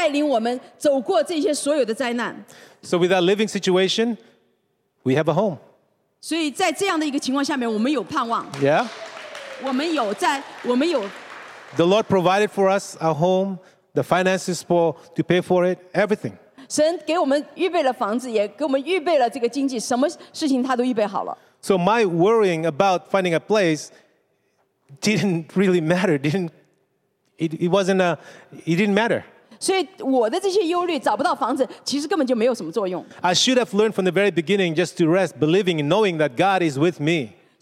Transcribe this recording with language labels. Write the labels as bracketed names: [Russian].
[Chinese] 所以我们有一个牧者,他会带领我们走过这些所有的灾难。 [English] So with that living situation, we have a home. [Chinese] 所以在这样的一个情况下面,我们有盼望。 [English] Yeah. [Chinese] 我们有在,我们有。 [English] The Lord provided for us a home, the finances for to pay for it, everything. [Chinese] 神给我们预备了房子,也给我们预备了这个经济,什么事情他都预备好了。 [English] So my worrying about finding a place didn't really matter, didn't matter. [Chinese] 所以我的这些忧虑,找不到房子,其实根本就没有什么作用。 [English] I should have learned from the very beginning just to rest, believing and knowing that God is with me.